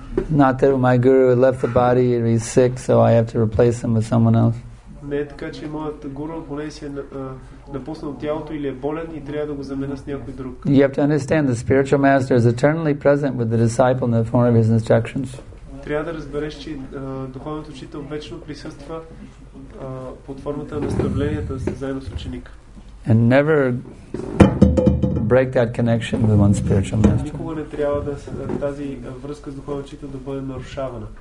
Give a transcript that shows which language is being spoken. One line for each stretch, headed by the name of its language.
English: Not that my guru left the body and he's sick, so I have to replace him with someone else.
Bulgarian: Не е така, че моят гуру болен си е напуснал тялото или е болен и трябва да го заменя с някой друг.
English: You have to understand the spiritual master is eternally present with the disciple in the form of his instructions.
Bulgarian: Трябва да разбереш, че духовният учител вечно присъства под формата на наставленията си заедно с ученика.
English: And never break that connection with one spiritual master.
Bulgarian: Никога не трябва да тази връзка с духовният учител да бъде нарушавана.